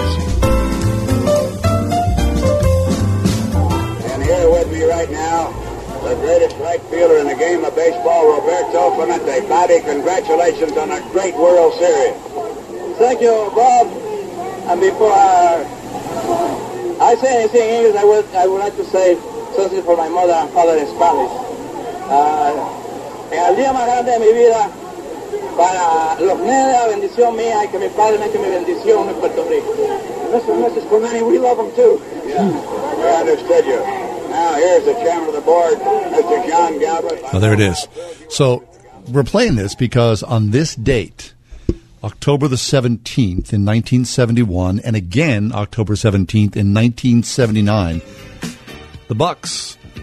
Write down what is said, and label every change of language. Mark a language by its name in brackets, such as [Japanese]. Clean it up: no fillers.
[English] And here with me right now, the greatest right fielder in the game of baseball, Roberto Clemente. Bobby, congratulations on a great World Series. Thank you, Bob. And before I say anything in English, I would like to say something for my mother and father in Spanish. [Spanish] En el día más grande de mi vida, para los nenes de la bendición mía y que mi padre me eche mi bendición en Puerto Rico. [English] Mr. and Mrs. Clemente, we love them too. Yeah, we understood you. Now here's the chairman of the board, Mr. John Galbraith. Oh, there it is. So we're playing this because on this date, October the 17th in 1971, and again October 17th in 1979, the Bucks.